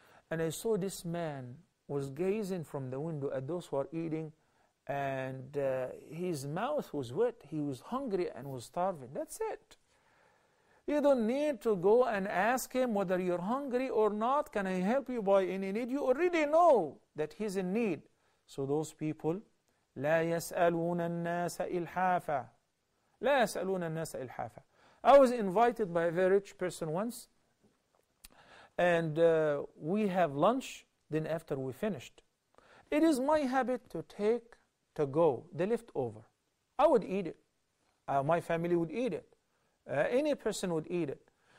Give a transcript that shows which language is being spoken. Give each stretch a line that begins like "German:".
English: And I saw this man was gazing from the window at those who are eating. And his mouth was wet. He was hungry and was starving. That's it. You don't need to go and ask him whether you're hungry or not. Can I help you by any need? You already know that he's in need. So those people,
Arabic: لا يسألون الناس إلحافا. لا يسألون الناس إلحافا.
English: I was invited by a very rich person once. And we have lunch. Then after we finished, it is my habit to take to go, the leftover. I would eat it. My family would eat it. Any person would eat it.